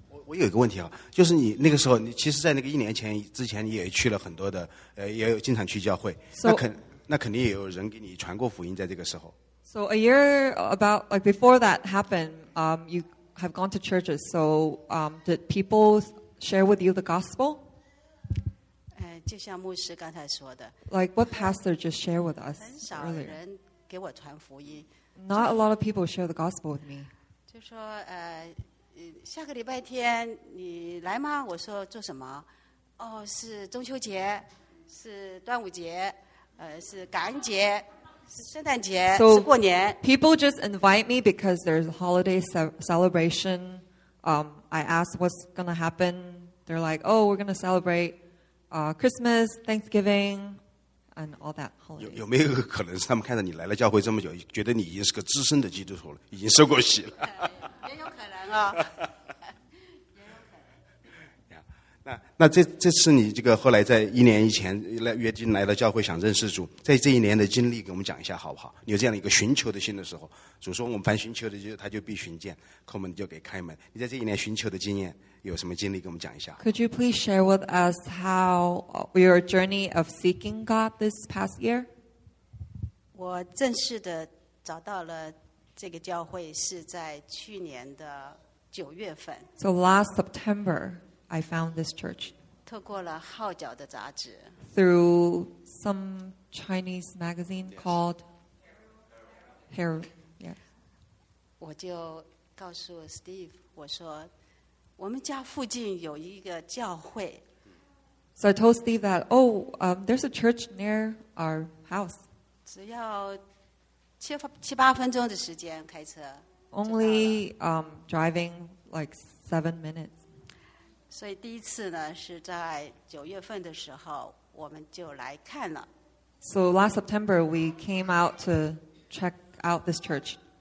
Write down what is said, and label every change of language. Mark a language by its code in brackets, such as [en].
[zh] 我有一个问题啊，就是你那个时候，你其实在那个一年前之前，你也去了很多的，也有经常去教会。 [en] So, [zh] 那肯定也有人给你传过福音在这个时候。 [en] So a year about like before that happened, you. Have gone to churches. So, did people share with you the gospel? [zh] 就像牧师刚才说的。 [en] Like what pastor just shared with us earlier. [zh] 很少人给我传福音。 [en] Not a lot of people share the gospel with me. [zh] 就说下个礼拜天你来吗？我说做什么？哦，是中秋节，是端午节，是感恩节。 [en] So people just invite me because there's a holiday celebration. I ask what's going to happen. They're like, oh, we're going to celebrate Christmas, Thanksgiving, and all that holidays. [zh] 有没有可能是他们看到你来了教会这么久，觉得你已经是个资深的基督徒了，已经受过洗了？也有可能啊、哦。那这次你这个后来在一年以前约定来到教会想认识主，在这一年的经历给我们讲一下好不好？你有这样一个寻求的心的时候，主说我们凡寻求的就他就必寻见，叩门就给开门。你在这一年寻求的经验有什么经历给我们讲一下 [en] ？Could you please share with us how your journey of seeking God this past year？ [zh] 我正式的找到了这个教会是在去年的九月份。 [en] So last September. I found this church. [zh] 透过了号角的杂志。 [en] Through some Chinese magazine called Herald. Yes. [zh] 我就告诉 Steve, 我说我们家附近有一个教会。 [en] So I told Steve that, oh, there's a church near our house. [zh] 只要七八分钟的时间开车。 [en] Only driving like 7 minutes. [zh] 所以第一次呢是在九月份的时候我们就来看了。 [en] So last September we came out to check out this church.